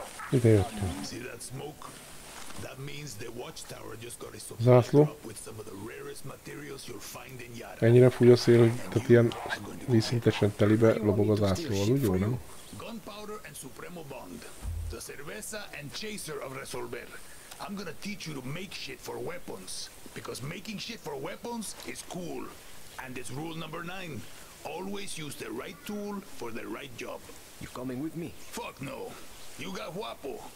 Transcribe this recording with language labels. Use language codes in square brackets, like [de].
[hu] Ide jöttünk. [en] See that smoke? That means the watchtower just got its [hu] zászló. [en] With some of the rarest materials you'll find in Yara. [hu] Ennyire fúj a szél, hogy tehát ilyen vízszintesen telibe lobog a zászló, úgy jó, nem? [en] Gunpowder and Supremo Bond. The cerveza and chaser of Resolver. I'm gonna teach you to make shit for weapons. Because making shit for weapons is cool. And it's rule number 9. Always use the right tool for the right job. You coming with me? Fuck no. You got Guapo.